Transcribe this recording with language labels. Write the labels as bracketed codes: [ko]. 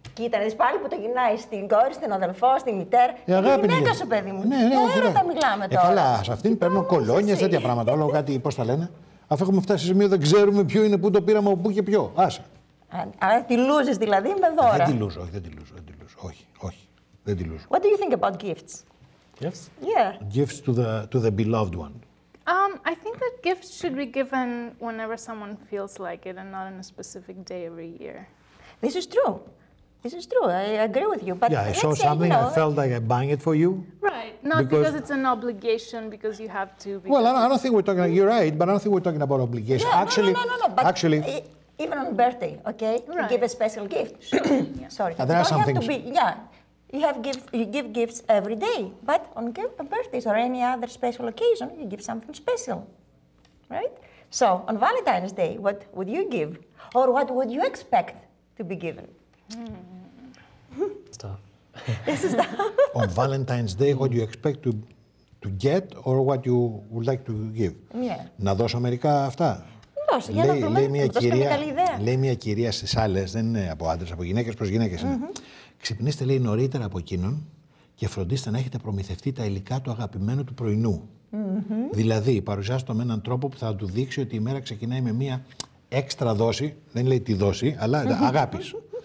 [el] Κοίτα, να δεις πάλι που το γυρνάει στην κόρη, στην αδελφό, στη μητέρα. Η αγάπη γυναίκα σου, παιδί μου. Ναι, όχι, έρωτα μιλάμε τώρα. Καλά, σε αυτήν παίρνω κολόνιες, τέτοια πράγματα. Όλο κάτι, πώς τα λένε. Αφού έχουμε φτάσει σε σημείο, δεν ξέρουμε ποιο είναι, πού το πήραμε, από πού και ποιο. Άσε. Αλλά τη λούζεις δηλαδή με δώρα. Δεν τη λούζω. Όχι, όχι. Δεν τη λούζω. [en] What do you think about gifts? Gifts? Yeah. Gifts to the beloved one. I think that gifts should be given whenever someone feels like it and not on a specific day every year. This is true. This is true. I agree with you. But yeah, I saw something. You know, I felt like I'm buying it for you. Right. Not because it's an obligation, because you have to. Well, I don't think we're talking. You're right, but I don't think we're talking about obligation. Yeah, actually, no. But actually, even on birthday, okay, right. You give a special gift. Sure. Yeah. Sorry. There are some things. You give gifts every day, but on birthdays or any other special occasion, you give something special, right? So on Valentine's Day, what would you give, or what would you expect to be given? Stop. On Valentine's Day, what do you expect to get or what you would like to give? Yeah. [el] Να δώσω μερικά αυτά. Δώσε, για να δούμε, μια κυρία, καλή ιδέα. Λέει μια κυρία στις άλλες, δεν είναι από άντρες, από γυναίκες προς γυναίκες. Mm-hmm. Ξυπνήστε, λέει, νωρίτερα από εκείνον και φροντίστε να έχετε προμηθευτεί τα υλικά του αγαπημένου του πρωινού. Mm-hmm. Δηλαδή, παρουσιάστε το με έναν τρόπο που θα του δείξει ότι η μέρα ξεκινάει με μια έξτρα δόση, δεν λέει τη δόση, αλλά αγάπης.